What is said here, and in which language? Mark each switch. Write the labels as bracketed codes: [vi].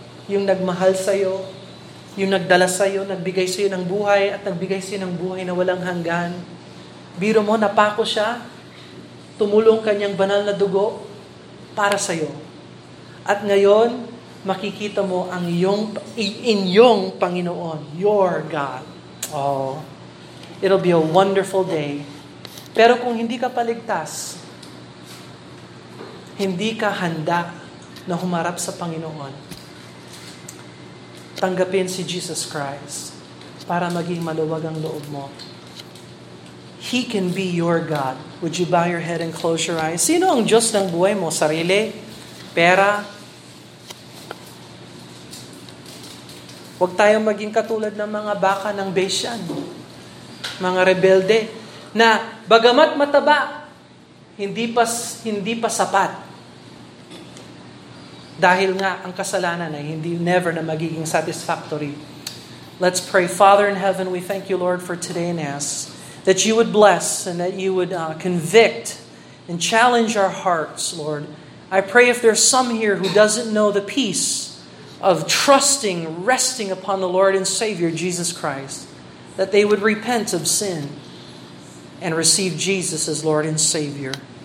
[tl] Yung nagmahal sa'yo, yung nagdala sa'yo, nagbigay sa'yo ng buhay, at nagbigay sa'yo ng buhay na walang hanggan. Biro mo, napako siya, tumulong kanyang banal na dugo para sa'yo. At ngayon, makikita mo ang iyong inyong Panginoon, [en] your God. Oh, it'll be a wonderful day. [tl] Pero kung hindi ka paligtas, hindi ka handa na humarap sa Panginoon, tanggapin si Jesus Christ para maging maluwag ang loob mo. [en] He can be your God. Would you bow your head and close your eyes? [tl] Sino ang Diyos ng buhay mo? Sarili? Pera? Huwag tayong maging katulad ng mga baka ng Bashan, mga rebelde, na bagamat mataba, hindi pa sapat. Dahil nga ang kasalanan ay never na magiging satisfactory. [en] Let's pray. Father in heaven, we thank you, Lord, for today and ask that you would bless and that you would convict and challenge our hearts, Lord. I pray if there's some here who doesn't know the peace of trusting, resting upon the Lord and Savior, Jesus Christ, that they would repent of sin and receive Jesus as Lord and Savior.